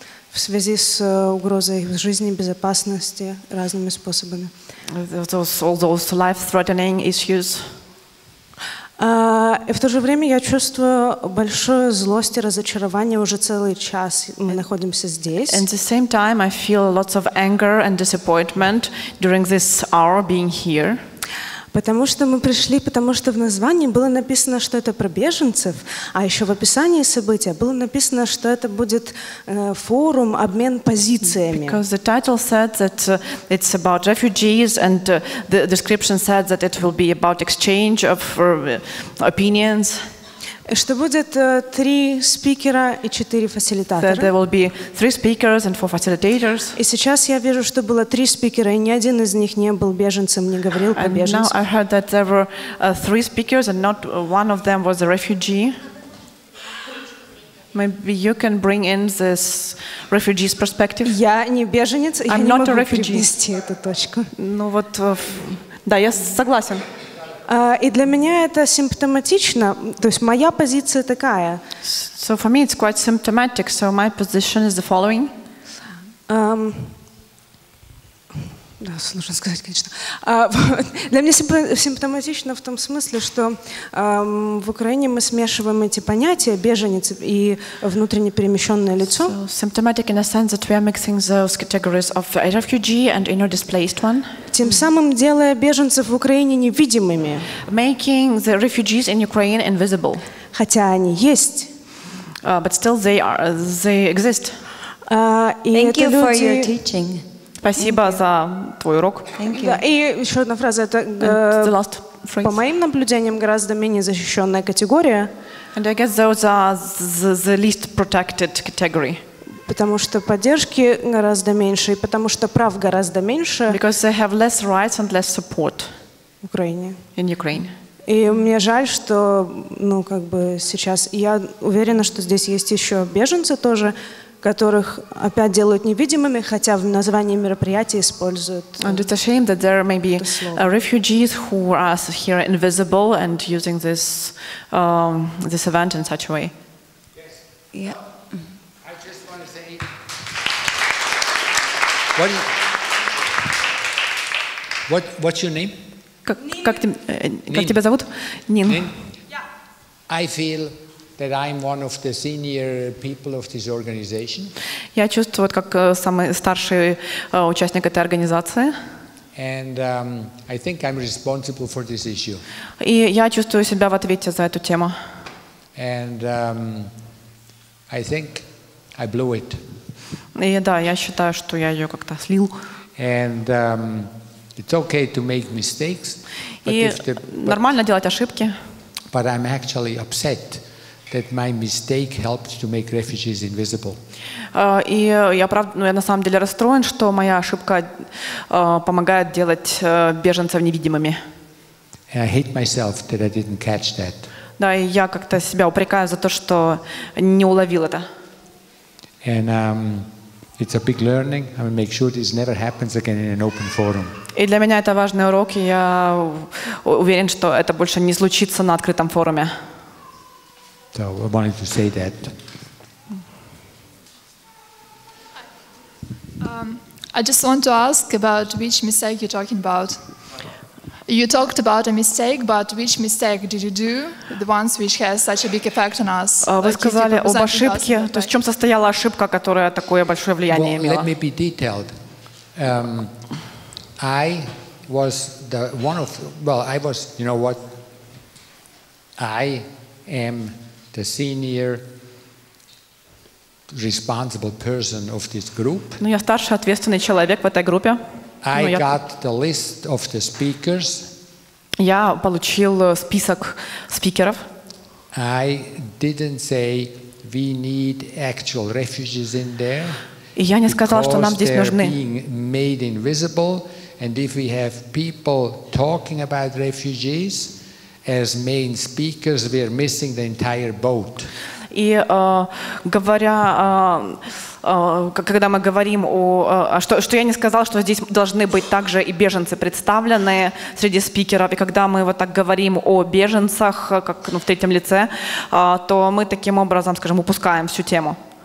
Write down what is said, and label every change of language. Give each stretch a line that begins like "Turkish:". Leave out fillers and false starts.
Russian: В связи с угрозой жизни, безопасности разными способами.
English: All those life-threatening issues.
Russian: И в то же время я чувствую большую злость и разочарование уже целый час мы находимся здесь.
English: At the same time, I feel lots of anger and disappointment during this hour being here.
Russian: Потому что мы пришли, потому что в названии было написано, что это про беженцев, а еще в описании события было написано, что это будет форум, обмен позициями.
English: Because the title said that it's about refugees, and the description said that it will be about exchange of opinions.
Russian: Что будет три спикера и четыре фасилитатора.
English: That there will be three speakers and four facilitators.
Russian: И сейчас я вижу, что было три спикера, и ни один из них не был беженцем, не говорил про беженцев.
English: And now I heard that there were three speakers, and not one of them was a refugee. Maybe you can bring in this refugee's perspective.
Russian: Я не беженец, я не могу перевести эту точку. Ну вот, да, я согласен. И для меня это симптоматично, то есть моя позиция такая.
English: So for me it's quite symptomatic. So my position is the following.
Russian: Да, сложно сказать, конечно. Для меня симптоматично в том смысле, что в Украине мы смешиваем эти понятия беженец и внутренне перемещенное лицо.
English: So symptomatic in a sense that we are mixing those categories of a refugee and inner displaced one.
Russian: Тем самым делая беженцев в Украине невидимыми.
English: Making the refugees in Ukraine invisible.
Russian: Хотя они есть.
English: But still they exist. Thank you for your teaching.
Russian: Спасибо за твой урок. Да, и еще одна фраза. Это, по моим наблюдениям, гораздо менее защищенная категория.
English: And I guess those are the least protected category.
Russian: Потому что поддержки гораздо меньше, и потому что прав гораздо меньше.
English: Because they have less rights and less support.
Russian: В Украине.
English: In Ukraine.
Russian: И мне жаль, что, ну, как бы сейчас... Я уверена, что здесь есть еще беженцы тоже, которых опять делают невидимыми, хотя в названии мероприятия используют.
English: And it's a shame that there may be refugees who are here invisible and using this this event in such a way. Yes. Yeah. I just want to say what's your name?
Russian: Как тебя зовут? Нин.
English: Yeah. I feel that I'm one of the senior people of this organization.
Russian: Я чувствую, как самый старший участник этой организации.
English: And I think I'm responsible for this issue.
Russian: И я чувствую себя в ответе за эту тему.
English: And I think I blew it.
Russian: Да, я считаю, что я её как-то слил.
English: And it's okay to make mistakes.
Russian: И нормально делать ошибки.
English: But I'm actually upset that my mistake helped to make refugees invisible.
Russian: И я правда, ну я на самом деле расстроен, что моя ошибка помогает делать беженцев невидимыми.
English: And I hate myself that I didn't catch that.
Russian: Да, и я как-то себя упрекаю за то, что не уловил это.
English: And it's a big learning. I will make sure this never happens again in an open forum.
Russian: И для меня это важный урок, и я уверен, что это больше не случится на открытом форуме.
English: So I wanted to say that. I just want to ask about which mistake you're talking about. You talked about a mistake, but which mistake did you do? The ones which has such a big effect on us.
Russian: Вы сказали об ошибке, то есть в чем состояла ошибка, которая такое большое влияние имела?
English: Let me be detailed. I was the one of, well, I was, you know what, I am the senior responsible person of this group.
Russian: Ну, я старший ответственный человек в этой группе.
English: I got the list of the speakers.
Russian: Я получил список спикеров.
English: I didn't say we need actual refugees in there.
Russian: И я не сказал, что нам здесь нужны.
English: Because they're being made invisible, and if we have people talking about refugees as main speakers, we're missing the entire boat.
Russian: И говоря, когда мы говорим о, что я не сказал, что здесь должны быть также и беженцы представлены среди спикеров, и когда мы вот так говорим о беженцах, как ну, в третьем лице, то мы таким образом, скажем, упускаем всю тему.